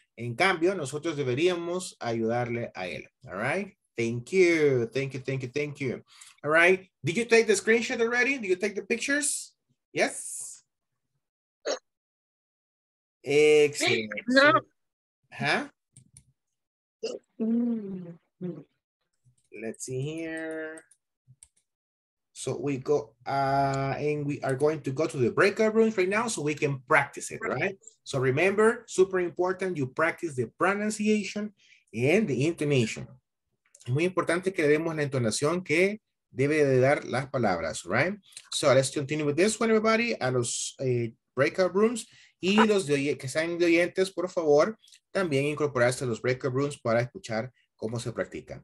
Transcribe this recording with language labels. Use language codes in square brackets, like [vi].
[es] En cambio, nosotros deberíamos ayudarle a él, all right? [en] Thank you, thank you, thank you, thank you. All right, did you take the screenshot already? Did you take the pictures? Yes? Excellent. No. Huh? Let's see here. So we go and we are going to go to the breakout rooms right now so we can practice it, right? So remember, super important, you practice the pronunciation and the intonation. [es] Muy importante que demos la entonación que debe de dar las palabras, right? [en] So let's continue with this one, everybody, [es] a los breakout rooms. Y los que sean de oyentes, por favor, también incorporarse a los breakout rooms para escuchar cómo se practican.